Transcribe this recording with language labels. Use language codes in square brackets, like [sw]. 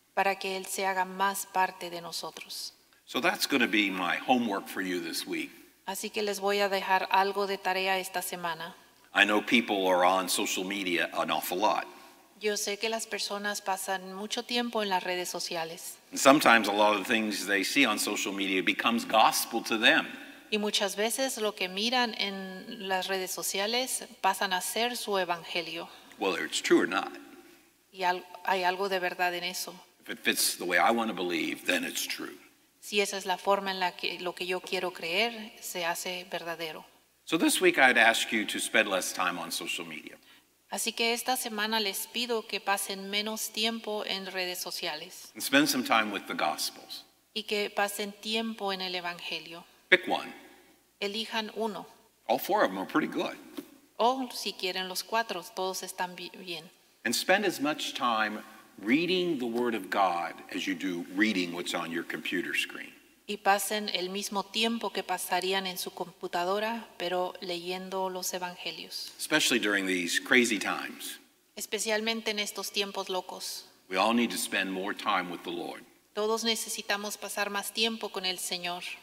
[es] Para que Él se haga más parte de nosotros. [en] So that's going to be my homework for you this week. [es] Así que les voy a dejar algo de tarea esta semana. [en] I know people are on social media an awful lot. [es] Yo sé que las personas pasan mucho tiempo en las redes sociales. [en] And sometimes a lot of the things they see on social media becomes gospel to them. [es] Y muchas veces lo que miran en las redes sociales pasan a ser su evangelio. [en] Whether it's true or not. [es] Y hay algo de verdad en eso. [en] If it fits the way I want to believe, then it's true. [es] Si esa es la forma en la que lo que yo quiero creer se hace verdadero. [en] So this week I'd ask you to spend less time on social media. [es] Así que esta semana les pido que pasen menos tiempo en redes sociales. [en] And spend some time with the Gospels. [es] Y que pasen tiempo en el Evangelio. [en] Pick one. [es] Elijan uno. [en] All four of them are pretty good. [es] O si quieren los cuatro, todos están bien. [en] And spend as much time reading the Word of God as you do reading what's on your computer screen. [es] Y pasen el mismo tiempo que pasarían en su computadora, pero leyendo los evangelios. [en] Especially during these crazy times. [es] Especialmente en estos tiempos locos. [en] We all need to spend more time with the Lord. [es] Todos necesitamos pasar más tiempo con el Señor.